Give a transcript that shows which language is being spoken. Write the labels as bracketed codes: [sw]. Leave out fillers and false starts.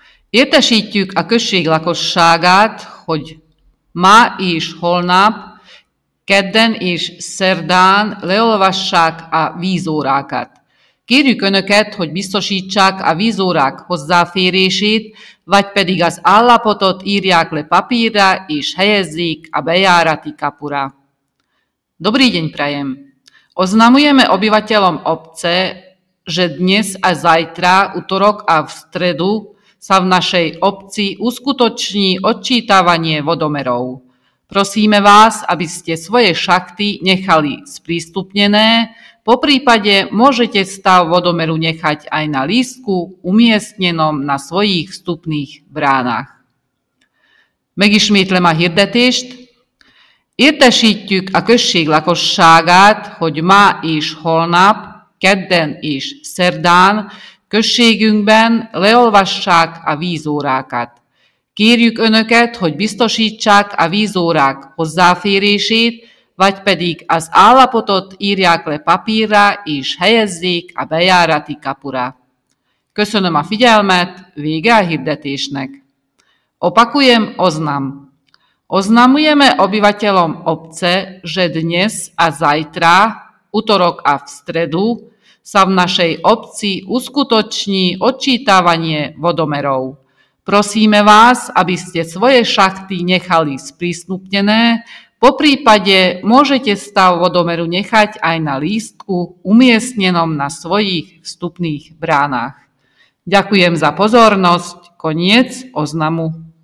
[hu] Értesítjük a község lakosságát, hogy ma és holnap, kedden és szerdán leolvassák a vízórákat. Kérjük Önöket, hogy biztosítsák a vízórák hozzáférését, vagy pedig az állapotot írják le papírra és helyezzék a bejárati kapura. [sk] Dobrý deň prajem! Oznamujeme obyvateľom obce, že dnes a zajtra, utorok a v stredu, sa v našej obci uskutoční odčítavanie vodomerov. Prosíme vás, aby ste svoje šachty nechali sprístupnené, po prípade môžete stav vodomeru nechať aj na lístku umiestnenom na svojich vstupných bránach. [hu] Megismétlem a hirdetést. Értesítjük a község lakosságát, hogy ma és holnap, kedden és szerdán községünkben leolvassák a vízórákat. Kérjük Önöket, hogy biztosítsák a vízórák hozzáférését, vagy pedig az állapotot írják le papírra és helyezzék a bejárati kapura. Köszönöm a figyelmet, vége a hirdetésnek. [sk] Opakujem oznam. Oznamujeme obyvateľom obce, že dnes a zajtra, utorok a v stredu, sa v našej obci uskutoční odčítavanie vodomerov. Prosíme vás, aby ste svoje šachty nechali sprístupnené, po prípade môžete stav vodomeru nechať aj na lístku umiestnenom na svojich vstupných bránach. Ďakujem za pozornosť. Koniec oznamu.